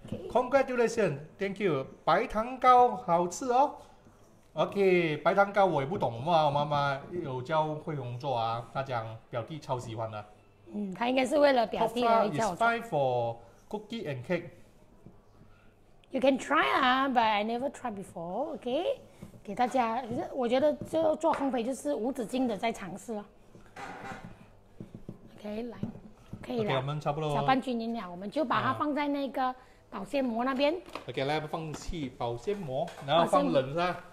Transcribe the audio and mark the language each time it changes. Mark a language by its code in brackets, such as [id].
[en] Congratulations, thank you， [zh] 白糖糕好吃哦。 OK， 白糖糕我也不懂嘛，我妈妈有教慧红做啊，她讲表弟超喜欢的。嗯，她应该是为了表弟而教我做。 [en] Top flour is fine for cookie and cake. You can try 啊 ，but I never tried before. [zh] OK， 给大家，我觉得就做烘焙就是无止境的在尝试了。OK， 来，可以了。 OK， 我们差不多。搅拌均匀了，我们就把它放在那个保鲜膜那边。 OK， 来放气保鲜膜，然后放冷噻。